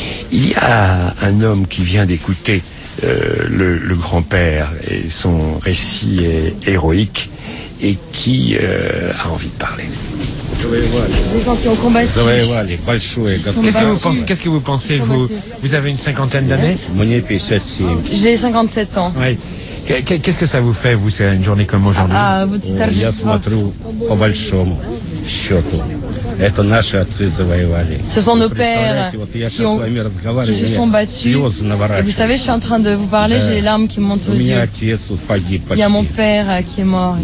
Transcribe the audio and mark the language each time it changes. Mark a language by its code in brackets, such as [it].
[fr] Il y a un homme qui vient d'écouter le grand-père et son récit est héroïque et qui a envie de parler. Les gens qui ont combattu. Qu'est-ce que vous pensez, vous ? Vous avez une cinquantaine d'années ? J'ai 57 ans. Oui. Qu'est-ce que ça vous fait, vous, c'est une journée comme aujourd'hui? [ru] Я смотрю по большому счету. Это наши отцы завоевали. [fr] Ce sont nos pères qui se sont battus. Et vous savez, je suis en train de vous parler, j'ai les larmes qui montent aux yeux. [ru] Отец погиб почти. [fr] Il y a mon père qui est mort.